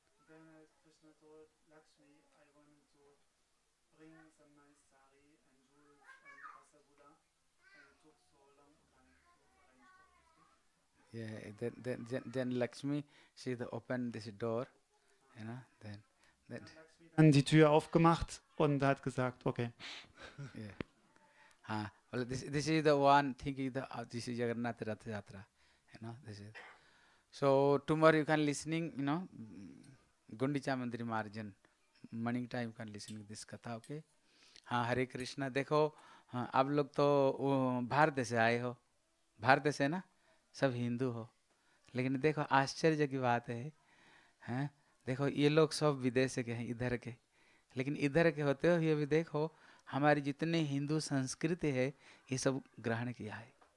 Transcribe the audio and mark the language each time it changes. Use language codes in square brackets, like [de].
[en] Then Krishna told Lakshmi, I want to bring some nice sari and jewels and Asa Buddha, and it took so long time to arrange for this. Yeah, then Lakshmi, she opened this door, you know, then [de] dann die Tür aufgemacht und hat gesagt, okay. [en] Yeah. Well, this is the one thinking the this is Jagannath Rath Yatra, you know, this is. So tomorrow you can listening, you know, Gundicha Mandir Marjan, morning time you can listening this katha, okay? [hi] हाँ हरे कृष्णा देखो आप लोग तो भारत से आए हो भारत से ना सब हिंदू हो लेकिन देखो आश्चर्य की बात है हाँ देखो ये लोग सब विदेश के हैं इधर के लेकिन इधर के होते हो ये भी देखो हमारी जितने हिंदू संस्कृति है ये सब ग्रहण किया है